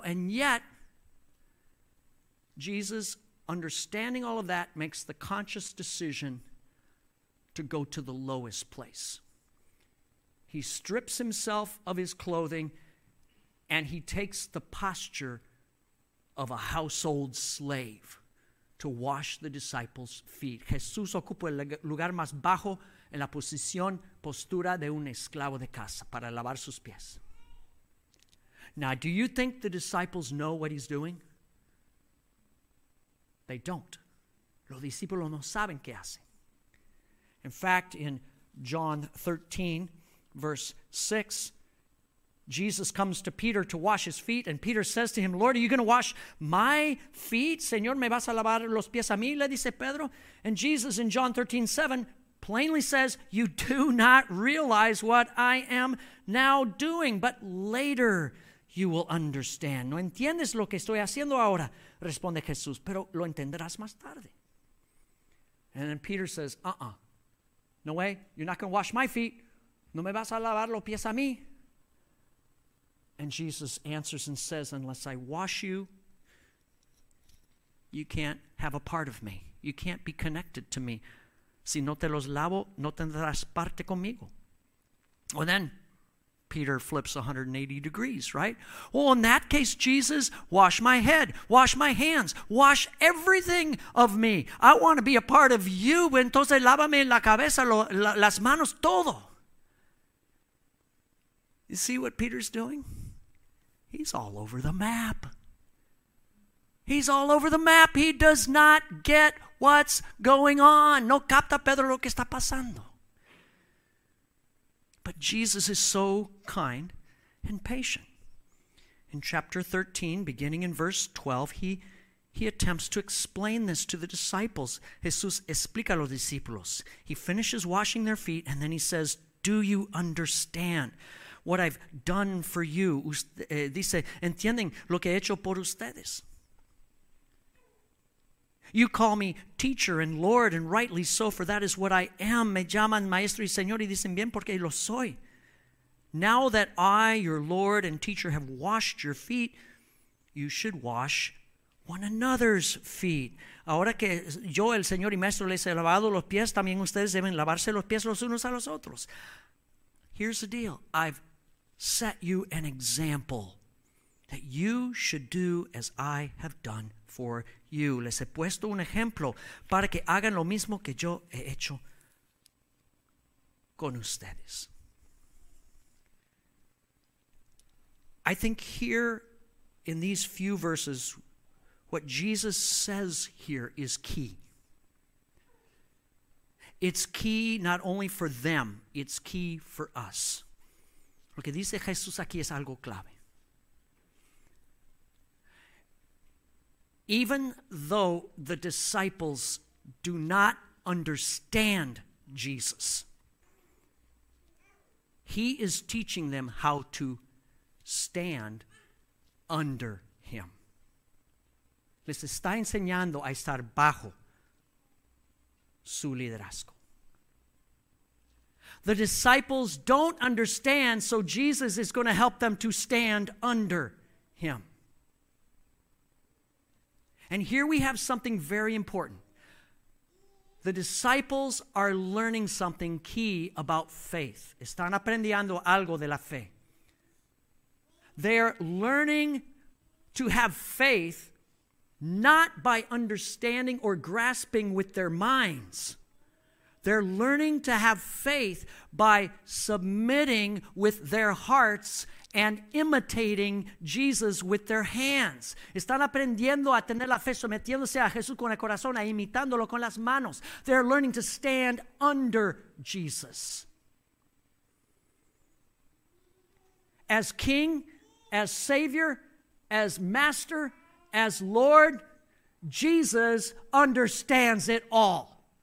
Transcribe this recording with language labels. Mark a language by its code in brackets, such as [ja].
[en] And yet, Jesus, understanding all of that, makes the conscious decision to go to the lowest place. He strips himself of his clothing and he takes the posture of a household slave to wash the disciples' feet. [es] Jesús ocupa el lugar más bajo en la posición, postura de un esclavo de casa para lavar sus pies. [en] Now, do you think the disciples know what he's doing? They don't. [es] Los discípulos no saben qué hacen. [en] In fact, in John 13, verse 6. Jesus comes to Peter to wash his feet, and Peter says to him, Lord, are you going to wash my feet? [es] Señor, ¿me vas a lavar los pies a mí? Le dice Pedro. [en] And Jesus in John 13, 7 plainly says, you do not realize what I am now doing, but later you will understand. [es] No entiendes lo que estoy haciendo ahora, responde Jesús, pero lo entenderás más tarde. [en] And then Peter says, no way, you're not going to wash my feet. [es] No me vas a lavar los pies a mí. [en] And Jesus answers and says, unless I wash you, you can't have a part of me. You can't be connected to me. [es] Si no te los lavo, no tendrás parte conmigo. [en] Well, then Peter flips 180 degrees, right? Well, in that case, Jesus, wash my head, wash my hands, wash everything of me. I want to be a part of you. [es] Entonces, lávame la cabeza, las manos, todo. [en] You see what Peter's doing? He's all over the map. He's all over the map. He does not get what's going on. [es] No capta Pedro lo que está pasando. [en] But Jesus is so kind and patient. In chapter 13, beginning in verse 12, he attempts to explain this to the disciples. [es] Jesús explica a los discípulos. [en] He finishes washing their feet, and then he says, do you understand what I've done for you? [es] Dice, ¿entienden lo que he hecho por ustedes? [en] You call me teacher and Lord, and rightly so, for that is what I am. [es] Me llaman maestro y señor, y dicen bien porque lo soy. [en] Now that I, your Lord and teacher, have washed your feet, you should wash one another's feet. [es] Ahora que yo, el señor y maestro, les he lavado los pies, también ustedes deben lavarse los pies los unos a los otros. [en] Here's the deal. I've set you an example that you should do as I have done for you. [es] Les he puesto un ejemplo para que hagan lo mismo que yo he hecho con ustedes. [en] I think here in these few verses, what Jesus says here is key. It's key not only for them, it's key for us. [es] Lo que dice Jesús aquí es algo clave. [en] Even though the disciples do not understand Jesus, he is teaching them how to stand under him. [es] Les está enseñando a estar bajo su liderazgo. [en] The disciples don't understand, so Jesus is going to help them to stand under him. And here we have something very important. The disciples are learning something key about faith. [es] Están aprendiendo algo de la fe. [en] They're learning to have faith not by understanding or grasping with their minds. They're learning to have faith by submitting with their hearts and imitating Jesus with their hands. [es] Están aprendiendo a tener la fe, sometiéndose a Jesús con el corazón, a imitándolo con las manos. [en] They're learning to stand under Jesus. As King, as Savior, as Master, as Lord, Jesus understands it all.